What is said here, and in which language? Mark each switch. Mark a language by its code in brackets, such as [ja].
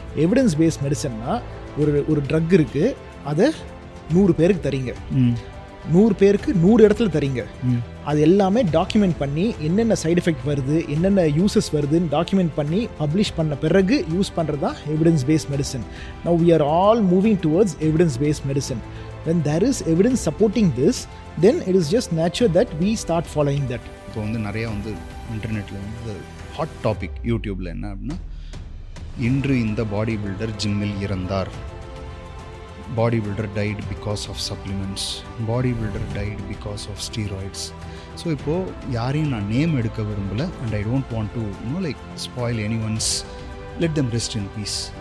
[ta] Evidence based மெடிசன்னா ஒரு drug இருக்குது, அதை 100 பேருக்கு தரீங்க, நூறு பேருக்கு 100 இடத்துல தரீங்க, அது எல்லாமே டாக்குமெண்ட் பண்ணி என்னென்ன சைட் எஃபெக்ட் வருது, என்னென்ன யூசஸ் வருதுன்னு டாக்குமெண்ட் பண்ணி பப்ளிஷ் பண்ண பிறகு யூஸ் பண்ணுறது தான் evidence based medicine. [en] Now we are all moving towards evidence based medicine. When there is evidence supporting this, then it is just natural that we start following that. [ta] இப்போ வந்து நிறைய வந்து இன்டர்நெட்டில் வந்து ஹாட் டாபிக் யூடியூப்பில் என்ன அப்படின்னா, இன்று இந்த [en] Body builder ஜிம்மில் இறந்தார், body builder died because of supplements, body builder died because of steroids. So [ta] இப்போது யாரையும் நான் நேம் எடுக்க விரும்பலை, [en] And I don't want to you know like spoil any ones, let them rest in peace.